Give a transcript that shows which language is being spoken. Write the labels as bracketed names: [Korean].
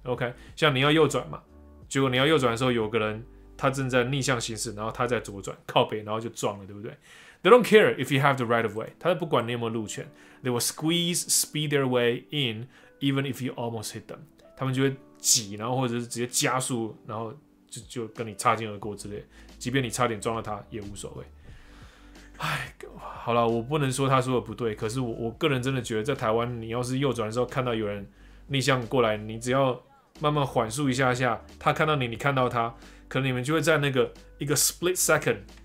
[Chinese] OK， 像你要右转嘛，结果你要右转的时候，有个人他正在逆向行驶，然后他在左转靠北，然后就撞了，对不对？ [English] They don't care if you have the right of way. [Chinese] 他不管你有没有路权。 [English] They will squeeze, speed their way in, even if you almost hit them. [Chinese] 他们就会挤，然后或者是直接加速，然后就跟你擦肩而过之类。即便你差点撞到他，也无所谓。哎，好了，我不能说他说的不对，可是我个人真的觉得，在台湾，你要是右转的时候看到有人逆向过来，你只要慢慢缓速一下下，他看到你，你看到他，可能你们就会在那个一个 split second。